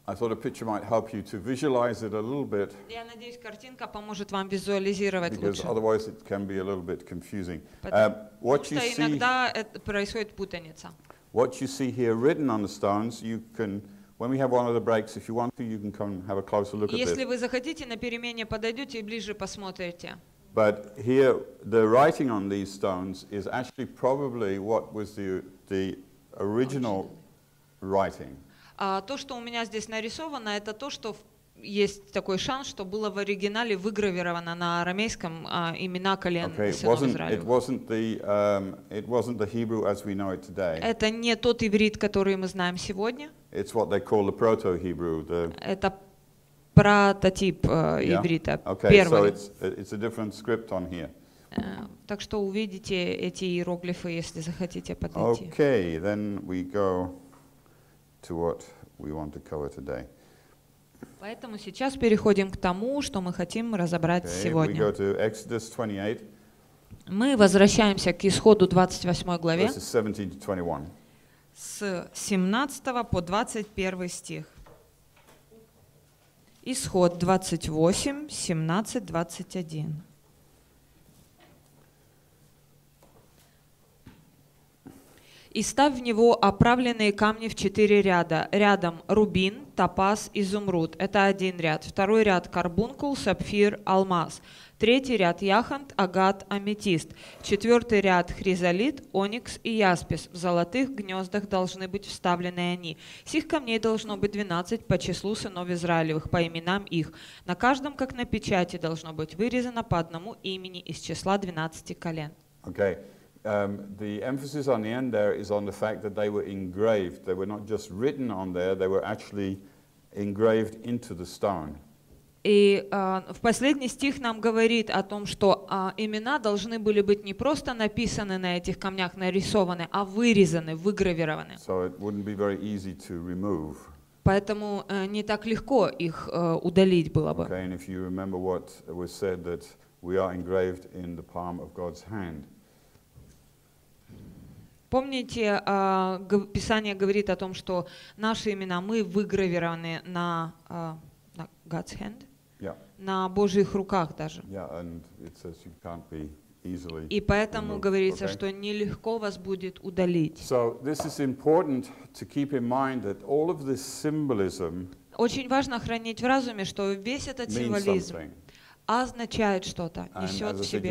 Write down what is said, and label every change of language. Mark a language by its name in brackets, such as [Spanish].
[English] I thought a picture might help you to visualize it a little bit. [Russian] Я надеюсь, картинка поможет вам визуализировать лучше. [English] Because otherwise it can be a little bit confusing. What you see. [Russian] Иногда это происходит путаница. [English] What you see here written on the stones, you can. When we have one of the breaks, if you want to, you can come have a closer look at this. [Russian] Если вы захотите, на перемене подойдете и ближе посмотрите. [English] But here, the writing on these stones is actually probably what was the original writing. [Russian] То, что у меня здесь нарисовано, это то, что есть такой шанс, что было в оригинале выгравировано на арамейском имена колен сынов Израилевых. [English] It wasn't the Hebrew as we know it today. [Russian] Это не тот иврит, который мы знаем сегодня. [English] It's what they call the proto-Hebrew. [Russian] Это прототип иврита, первый. [English] Okay, so it's a different script on here. [Russian] Так что увидите эти иероглифы, если захотите подойти. [English] Okay, then we go to what we want to cover today. [Russian] Поэтому сейчас переходим к тому, что мы хотим разобрать сегодня. [English] We go to Exodus 28. [Russian] Мы возвращаемся к исходу 28 главе. [English] Verses 17 to 21. [Russian] С 17 по 21 стих. Исход 28, 17, 21. «И ставь в него оправленные камни в четыре ряда. Рядом рубин, топаз, изумруд. Это один ряд. Второй ряд – карбункул, сапфир, алмаз. Третий ряд – яхонт, агат, аметист. Четвертый ряд – хризолит, оникс и яспис. В золотых гнездах должны быть вставлены они. Сих камней должно быть 12 по числу сынов Израилевых, по именам их. На каждом, как на печати, должно быть вырезано по одному имени из числа 12 колен». [English] Okay. The emphasis on the end there is on the fact that they were engraved. They were not just written on there, they were actually engraved into the stone. [Russian] И в последний стих нам говорит о том, что имена должны были быть не просто написаны на этих камнях, нарисованы, а вырезаны, выгравированы. [English] So it wouldn't be very easy to remove. [Russian] Поэтому не так легко их удалить было бы. [English] Okay, and if you remember what was said, that we are engraved in the palm of God's hand. [Russian] Помните, Писание говорит о том, что наши имена, мы выгравированы на [English] God's hand, yeah. [Russian] На Божьих руках даже. [English] Yeah, and it says you can't be easily. [Russian] И поэтому [English] removed, [Russian] говорится, [English] okay? [Russian] Что нелегко вас будет удалить. [English] So this is important to keep in mind that all of this symbolism. [Russian] Очень важно хранить в разуме, что весь этот символизм означает что-то, несет в себе.